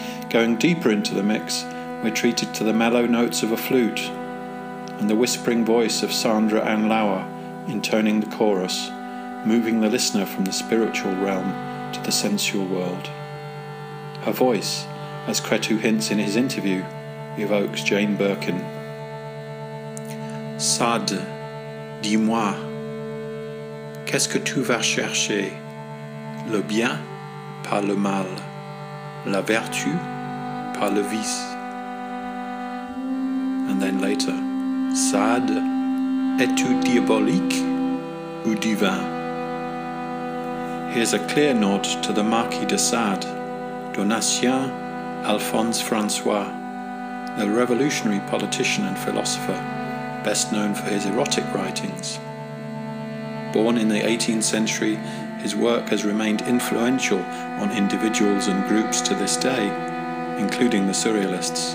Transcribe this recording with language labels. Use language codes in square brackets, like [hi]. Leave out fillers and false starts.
[en] Going deeper into the mix, we're treated to the mellow notes of a flute and the whispering voice of Sandra Ann Lauer intoning the chorus, moving the listener from the spiritual realm to the sensual world. Her voice, as Cretu hints in his interview, evokes Jane Birkin. [fr] Sade, dis-moi, qu'est-ce que tu vas chercher? Le bien, pas le mal, la vertu, pas le vice. [en] And then later, [fr] Sade, es-tu diabolique ou divin? [en] Here's a clear nod to the Marquis de Sade, Donatien Alphonse François, the revolutionary politician and philosopher, best known for his erotic writings. Born in the 18th century, his work has remained influential on individuals and groups to this day, including the Surrealists.